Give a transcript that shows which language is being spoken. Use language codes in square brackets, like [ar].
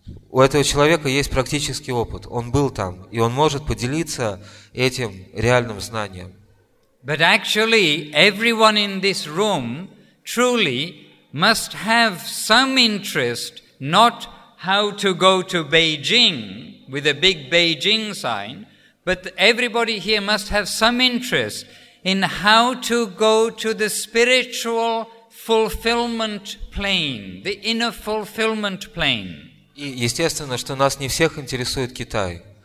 [ru] У этого человека есть практический опыт. Он был там, и он может поделиться этим реальным знанием. [en] But actually, everyone in this room truly must have some interest, not how to go to Beijing with a big Beijing sign, but everybody here must have some interest in how to go to the spiritual fulfillment plane, the inner fulfillment plane. [ru] И естественно, что нас не всех интересует Китай.